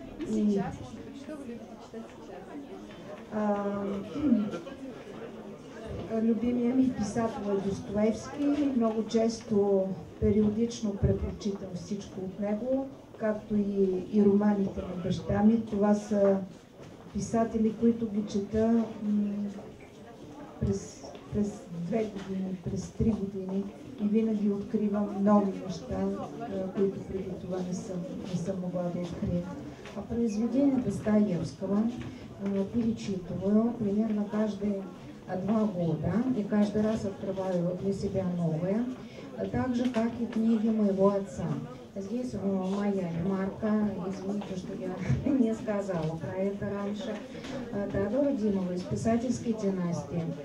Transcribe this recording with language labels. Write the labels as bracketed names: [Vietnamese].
[Russian] И сейчас, что вы любите читать сейчас? [Bulgarian] Любимия ми писател е Достоевски, много често периодично препрочитам всичко от него, както и романите на баща ми. Това са писатели, които ги чета през две години, през три години и винаги откривам нови неща, които преди това не съм могла да открия. [Russian] А произведение Достоевского перечитываю примерно каждые два года и каждый раз открываю для себя новое, так же, как и книги моего отца. Здесь моя ремарка, извините, что я не сказала про это раньше, Теодора Димова из писательской династии.